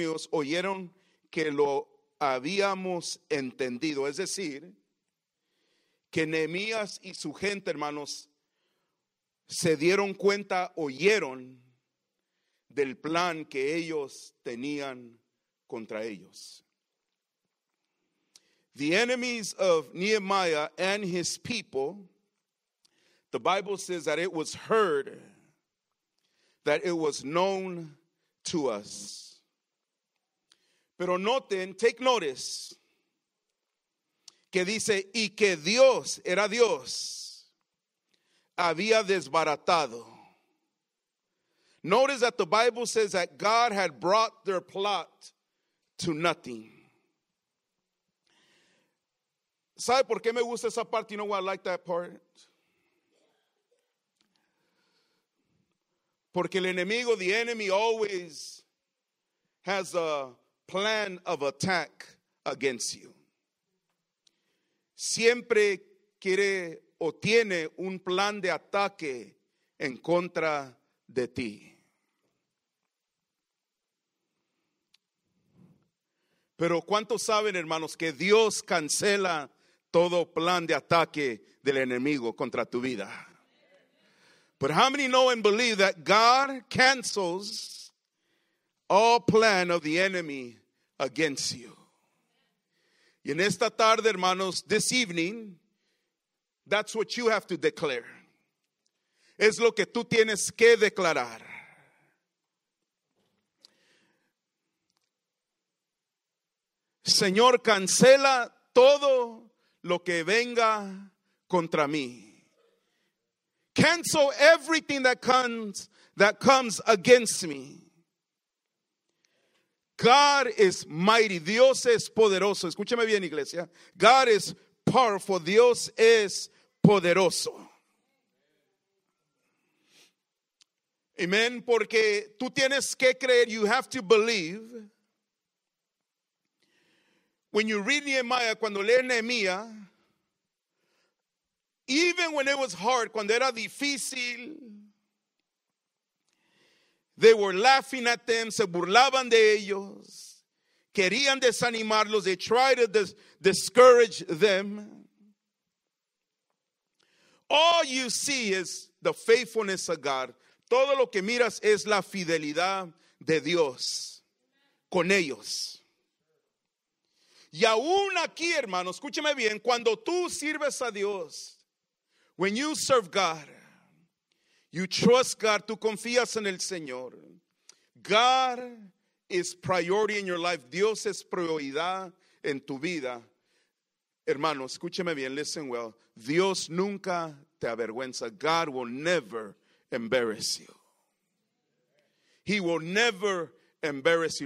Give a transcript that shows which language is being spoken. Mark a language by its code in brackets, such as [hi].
[es] oyeron, que lo habíamos entendido, es decir, que Nehemías y su gente, hermanos, se dieron cuenta, oyeron del plan que ellos tenían contra ellos. [en] The enemies of Nehemiah and his people, the Bible says that it was heard, that it was known to us. [es] Pero noten, [en] take notice, [es] que dice, y que Dios, era Dios, había desbaratado. [en] Notice that the Bible says that God had brought their plot to nothing. [es] ¿Sabe por qué me gusta esa parte? [en] You know why I like that part? [es] Porque el enemigo, [en] the enemy, always has a plan of attack against you. [es] Siempre quiere o tiene un plan de ataque en contra de ti. Pero ¿cuántos saben, hermanos, que Dios cancela todo plan de ataque del enemigo contra tu vida? [en] But how many know and believe that God cancels all plan of the enemy against you? [es] Y en esta tarde, hermanos, [en] this evening, that's what you have to declare. [es] Es lo que tú tienes que declarar. Señor, cancela todo lo que venga contra mí. [en] Cancel everything that comes against me. God is mighty. [es] Dios es poderoso. Escúcheme bien, iglesia. [en] God is powerful. [es] Dios es poderoso. [en] Amen. [es] Porque tú tienes que creer. [en] You have to believe. When you read Nehemiah, [es] cuando lees Nehemiah, [en] Even when it was hard, [es] cuando era difícil, [en] they were laughing at them, [es] se burlaban de ellos, querían desanimarlos, [en] they tried to discourage them. All you see is the faithfulness of God. [es] Todo lo que miras es la fidelidad de Dios con ellos. Y aún aquí, hermano, escúcheme bien, cuando tú sirves a Dios, [en] when you serve God, you trust God, [es] tú confías en el Señor. [en] God is priority in your life. [es] Dios es prioridad en tu vida. Hermano, escúcheme bien, [en] listen well. [es] Dios nunca te avergüenza. [en] God will never embarrass you. He will never embarrass you.